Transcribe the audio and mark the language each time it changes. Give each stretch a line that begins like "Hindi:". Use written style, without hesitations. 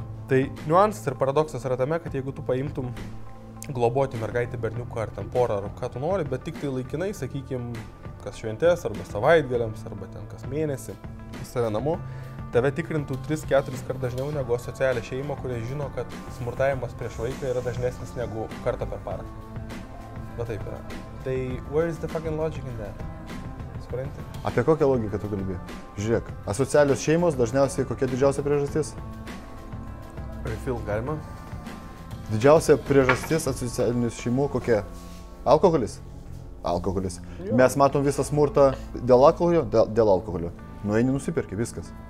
Lithuanian: Tai niuansas ir paradoksas yra tame, kad jeigu tu paimtum globoti mergaitį berniuką ar ten porą ar ką tu nori, bet tik tai laikinai, sakykim, kas šventės arba savaitgaliams arba ten kas mėnesį į save namo, tave tikrintų 3-4 kart dažniau negu socialinė šeima, kurie žino, kad smurtavimas prieš vaiką yra dažnesnis negu kartą per parą. Va taip yra.
English: Tai where is the fucking logic in that?
Lithuanian: Supranti? Apie kokią logiką tu kalbi? Žiūrėk, asocialios šeimos dažniausiai kokia didžiausia priežastis? Refill galima. Didžiausia priežastis asocialinių šeimų kokia? Alkoholis? Alkoholis. Jo. Mes matom visą smurtą dėl alkoholio? Dėl alkoholio. Nu, eini, nusipirki, viskas.